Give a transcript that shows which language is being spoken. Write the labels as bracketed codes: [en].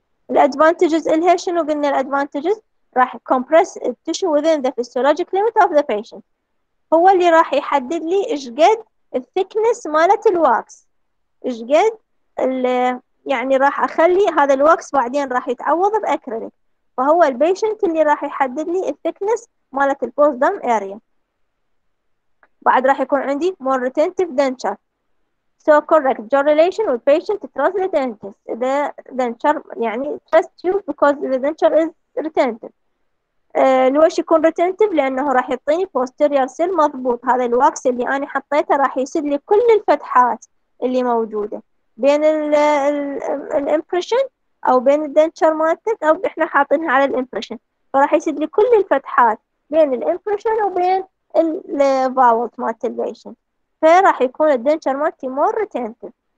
[ar] الادفانتجز الها شنو قلنا الادفانتجز؟ راح كومبرس التشو [en] within the physiologic limit of the patient، [ar] هو اللي راح يحدد لي ايش قد الثيكنس مالت الواكس، ايش قد يعني راح اخلي هذا الواكس بعدين راح يتعوض باكريليك، فهو البيشنت اللي راح يحدد لي الثيكنس مالت البوست دام اريا. بعد راح يكون عندي more retentive denture. [en] So correct jaw relation with patient trust the dentist. The denture يعني trust you because the denture is retentive. [ar] ليش يكون retentive؟ لأنه راح يعطيني posterior seal مضبوط، هذا الواكس اللي أنا حطيته راح يسد لي كل الفتحات اللي موجودة بين ال impression أو بين الدنتشر مالتك، أو إحنا حاطينها على الإمبريشن، فراح يسد لي كل الفتحات بين الإمبريشن وبين الفاولت مالت البيشن، فراح يكون الدنتشر مالتي مور ريتنتف.